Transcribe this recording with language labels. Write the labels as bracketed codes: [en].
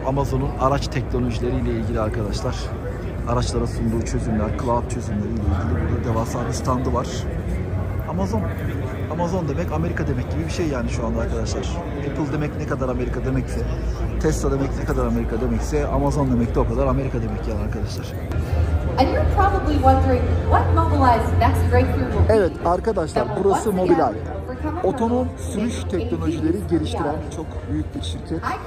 [tr] Amazon'un araç teknolojileriyle ilgili arkadaşlar. Araçlara sunduğu çözümler, cloud çözümleriyle ilgili burada devasa bir standı var. Amazon. Amazon demek Amerika demek gibi bir şey yani şu anda arkadaşlar. Apple demek ne kadar Amerika demekse, Tesla demek ne kadar Amerika demekse, Amazon demek de o kadar Amerika demek yani arkadaşlar. [en] And you're probably wondering what Mobileye's next breakthrough. [tr] Evet arkadaşlar, burası Mobileye. Otonom sürüş teknolojileri geliştiren çok büyük bir şirket.